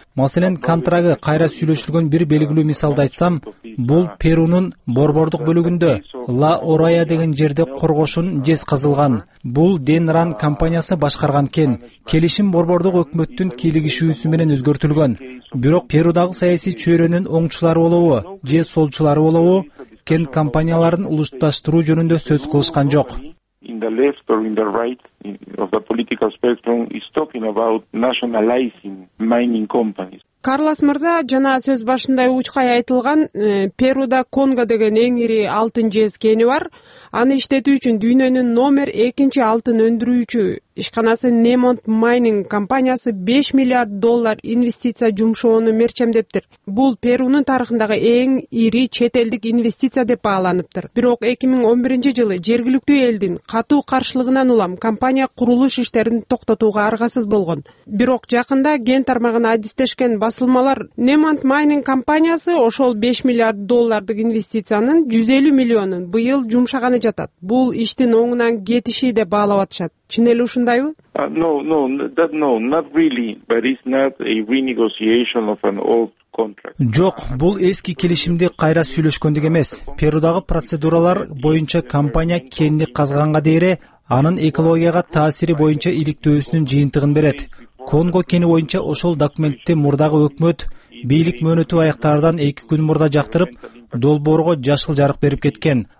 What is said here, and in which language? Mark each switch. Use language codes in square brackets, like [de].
[ky] Маселен, контрагы кайра сүйлөшүлгөн бир белгилүү мисалды айтсам, бул Перунун борбордук бөлүгүндө Ла Орая деген жерде коргошун жез казылган. Бул Денран компаниясы башкарган кен. Келишим борбордук өкмөттүн кийлигишүүсү менен өзгөртүлгөн. Бирок Перудагы саясий чөйрөнүн оңчулары болобу же солчулары болобу, кен компанияларын улутташтыруу жөнүндө сөз кылышкан жок. [en] in the left or in the right of the political spectrum is talking about nationalizing mining companies. [ky] Карлас мырза, жана сөз башындай учкай айтылган, Перуда Конго деген эң ири алтын жез кени бар. Аны иштетүү үчүн дүйнөнүн номер 2-чи алтын өндүрүүчү ишканасы Немонт Майнинг компаниясы 5 миллиард доллар инвестиция жумшоону мерчемдептир. Бул Перунун тарыхындагы эң ири чет элдик инвестиция деп бааланыптыр. Бирок 2011 жылы жергиликтүү элдин катуу каршылыгынан улам компания курулуш иштерин токтотууга аргасыз болгон. Бирок жакында ген тармагына адистешкен басылмалар Немонт Майнинг компаниясы ошол 5 миллиард доллардык инвестициянын 150 миллионун быйыл жумшаганы жатат. Бул иштин оңунан кетиши деп баалап атышат. Чын эле ушундайбы? [en] No, not really, but it's not a renegotiation of an old contract. [ky] Жок, бул эски келишимди кайра сүйлөшкөндүк эмес. Перудагы процедуралар боюнча компания кенди казганга дейре анын экологияга таасири боюнча иликтөөсүнүн жыйынтыгын берет. Конго кени боюнча ошол документти мурдагы өкмөт бийлик мөөнөтү аяктардан 2 күн мурда жактырып, долбоорго жашыл жарык берип кеткен.